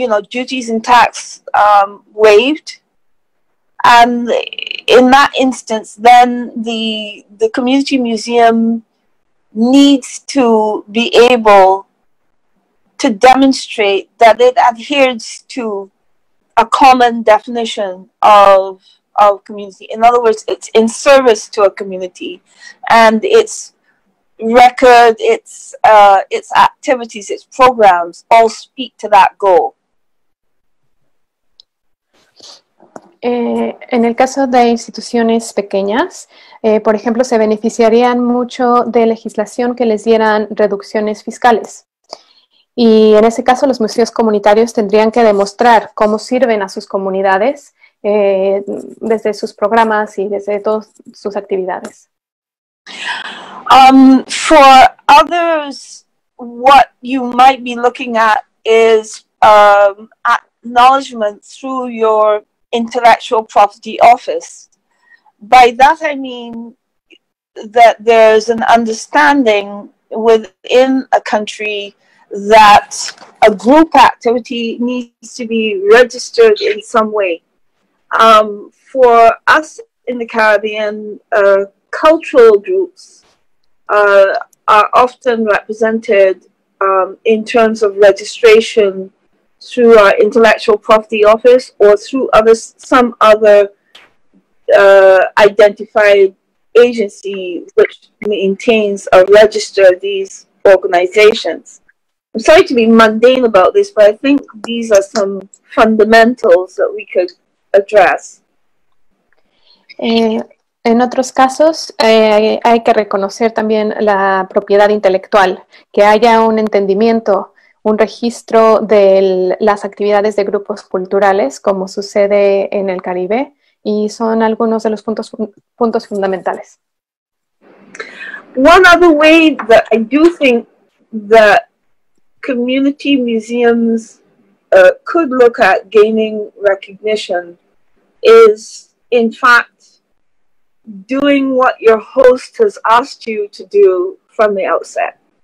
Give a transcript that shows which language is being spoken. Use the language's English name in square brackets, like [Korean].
[English] duties and tax waived, and in that instance, then the community museum needs to be able to demonstrate that it adheres to a common definition of community. In other words, it's in service to a community, and it's record, its activities, its programs, all speak to that goal. [Spanish] En el caso de instituciones pequeñas, por ejemplo, se beneficiarían mucho de legislación que les dieran reducciones fiscales. Y en ese caso, los museos comunitarios tendrían que demostrar cómo sirven a sus comunidades desde sus programas y desde todas sus actividades. [English] For others, what you might be looking at is acknowledgement through your intellectual property office. By that I mean that there's an understanding within a country that a group activity needs to be registered in some way. For us in the Caribbean, cultural groups are often represented in terms of registration through our intellectual property office or through some other identified agency which maintains or registers these organizations. I'm sorry to be mundane about this, but I think these are some fundamentals that we could address. [Spanish] En otros casos, hay que reconocer también la propiedad intelectual, que haya un entendimiento, un registro de las actividades de grupos culturales, como sucede en el Caribe, y son algunos de los puntos fundamentales. [English] One other way that I do think that community museums could look at gaining recognition is, in fact, doing what your host has asked you to do from the outset.